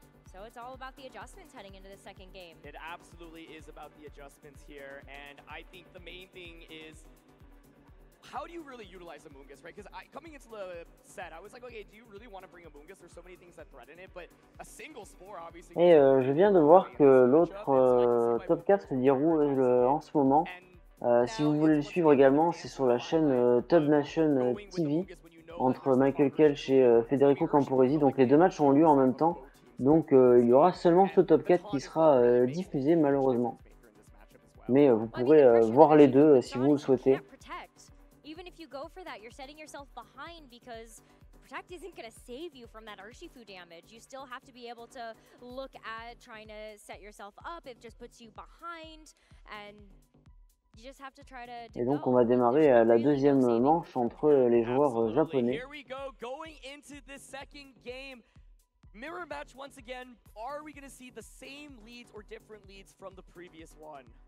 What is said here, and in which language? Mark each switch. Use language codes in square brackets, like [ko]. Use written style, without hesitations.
[en] So it's all about the adjustments heading into the second game. It absolutely is about the adjustments here. And I think the main thing is, how do you really utilize Amoongus, right? Because coming into the set, I was like, okay, do you really want to bring Amoongus? There's so many things that threaten it, but a single Spore, obviously... [fr] Et je viens de voir que l'autre top 4 se déroule en ce moment. Si vous voulez le suivre également, c'est sur la chaîne Top Nation TV, entre Michael Kelch et Federico Camporesi. Donc les deux matchs ont lieu en même temps. Donc il y aura seulement ce top 4 qui sera diffusé, malheureusement. Mais vous pourrez voir les deux si vous le souhaitez. [en] Even if you go for that, you're setting yourself behind because Protect isn't going to save you from that Urshifu damage. You still have to be able to look at trying to set yourself up. It just puts you behind and you just have to try to... [fr] Et donc on va démarrer la deuxième manche entre les joueurs japonais. [en] Here we go, going into the second game. Mirror match once again. Are we going to see the same leads or different leads from the previous one?